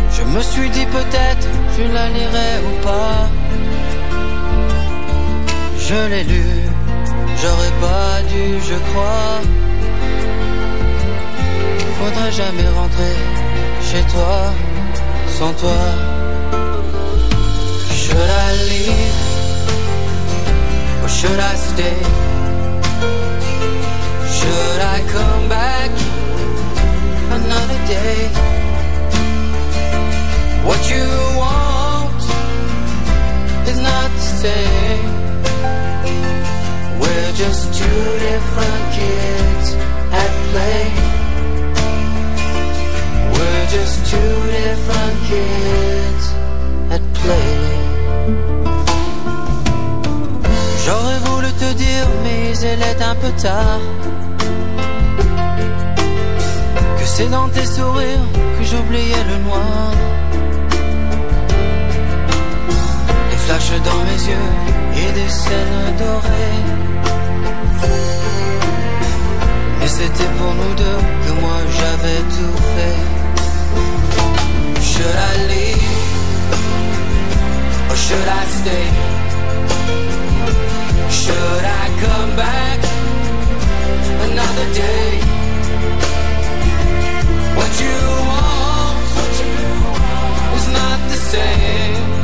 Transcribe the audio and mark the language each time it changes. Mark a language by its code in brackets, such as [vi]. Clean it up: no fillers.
[fr] Je me suis dit peut-être je la lirai ou pas. Je l'ai lu, j'aurais pas dû, je crois. Faudrait jamais rentrer chez toi sans toi. [en] Should I leave or should I stay? Should I Should I come back another day? What you want is not the same. We're just two different kids at play. We're just two different kids at play. [fr] J'aurais voulu te dire, mais il est un peu tard, que c'est dans tes sourires que j'oubliais le noir. Les flashs dans mes yeux et des scènes dorées. Mais c'était pour nous deux que moi j'avais tout fait. [en] Should I leave or should I stay? Should I come back another day? What you want is not the same.